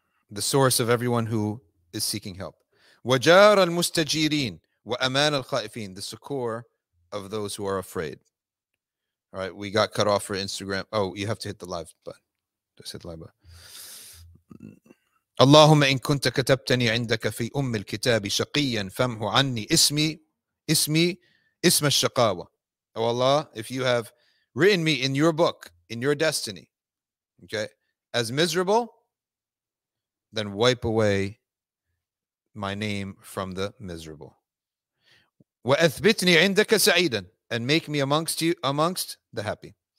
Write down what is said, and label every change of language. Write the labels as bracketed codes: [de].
[en] The source of everyone who is seeking help. [ar] Wajar al-mustajirin. Wa aman al-khaifin. [en] The succor of those who are afraid. All right, we got cut off for Instagram. Oh, you have to hit the live button. Just hit the live button. [ar] اللهم إن كنت كتبتني عندك في أم الكتاب شقيا فامح عني اسمي اسم الشقاوة. [en] Oh Allah, if you have written me in your book, in your destiny, okay, as miserable, then wipe away my name from the miserable. [ar] وأثبتني عندك سعيدا, [en] and make me amongst you, amongst the happy.